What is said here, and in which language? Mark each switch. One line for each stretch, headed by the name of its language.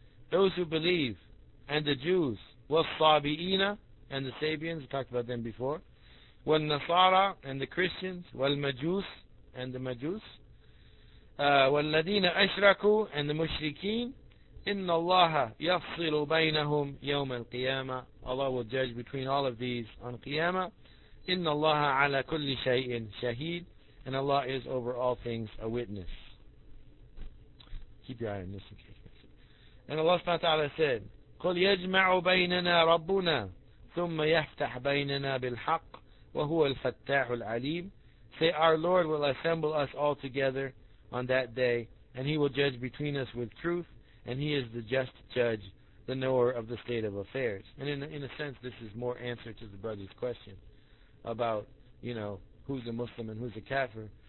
English: Those who believe, and the Jews,
Arabic: وَالصَّابِئِينَ,
English: and the Sabians, we talked about them before,
Arabic: وَالنَّصَارَى,
English: and the Christians,
Arabic: وَالْمَجُوسِ,
English: and the Majus,
Arabic: وَالَّذِينَ أَشْرَكُوا,
English: and the Mushrikeen,
Arabic: إِنَّ اللَّهَ يَفْصِلُ بَيْنَهُمْ يَوْمَ الْقِيَامَةِ.
English: Allah will judge between all of these on Qiyamah.
Arabic: إِنَّ اللَّهَ عَلَى كُلِّ شَيْءٍ شَهِيدٍ.
English: And Allah is over all things a witness. Keep your eye on this in case. And Allah subhanahu wa ta'ala said,
Arabic: قُلْ يَجْمَعُ بَيْنَنَا رَبُّنَا ثُمَّ يَفْتَحْ بَيْنَنَا بِالْحَقِّ وَهُوَ الْفَتَّاحُ الْعَلِيمُ.
English: Say, our Lord will assemble us all together on that day, and He will judge between us with truth, and He is the just judge, the knower of the state of affairs. And in a sense, this is more answer to the brother's question about, you know, who's a Muslim and who's a kafir.